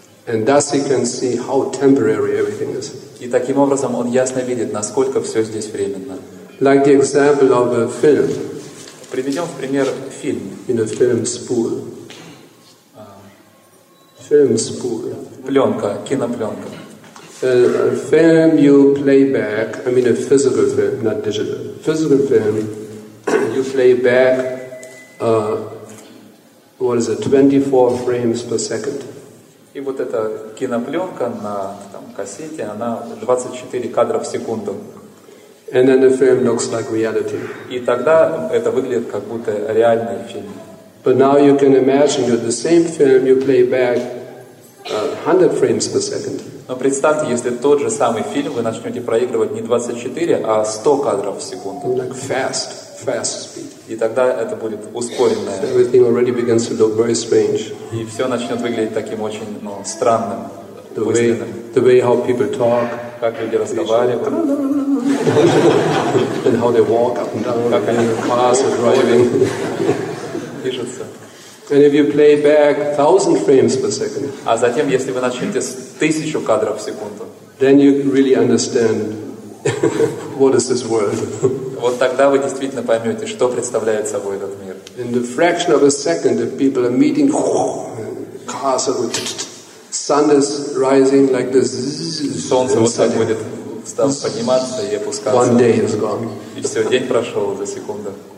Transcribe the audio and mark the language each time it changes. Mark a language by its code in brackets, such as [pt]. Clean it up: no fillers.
[en] And thus he can see how temporary everything is. [ru] И таким образом он ясно видит, насколько все здесь временно. [en] Like the example of a film. [ru] Приведем в пример фильм. [en] In a film spool. Film spool. [ru] Пленка, кинопленка. [en] A film you play back, I mean a physical film, not digital. Physical film, you play back, what is it, 24 frames per second. [ru] И вот эта кинопленка на там, кассете, она 24 кадра в секунду. [en] And then the film looks like reality. [ru] И тогда это выглядит как будто реальный фильм. [en] But now you can imagine that the same film you play back 100 frames per second. [ru] Но представьте, если тот же самый фильм вы начнете проигрывать не 24, а 100 кадров в секунду. [en] Like fast, fast speed. [ru] И тогда это будет ускоренное. [en] Everything already begins to look very strange. [ru] И все начнет выглядеть таким очень, ну, странным. [en] The way how people talk. [ru] Как люди разговаривают. [en] And how they walk up and down. [ru] Как они в [en] cars are driving. [ru] Пишется. [en] And if you play back 1,000 frames per second. [ru] А затем, если вы начнете с 1,000 кадров в секунду. [en] Then you really understand what is this world. [ru] Вот тогда вы действительно поймете, что представляет собой этот мир. [en] In the fraction of a second, if people are meeting, cars are going, sun is rising like this. [ru] Солнце вот так будет подниматься и опускаться. [en] One day is gone. [ru] И все, день прошел за секунду.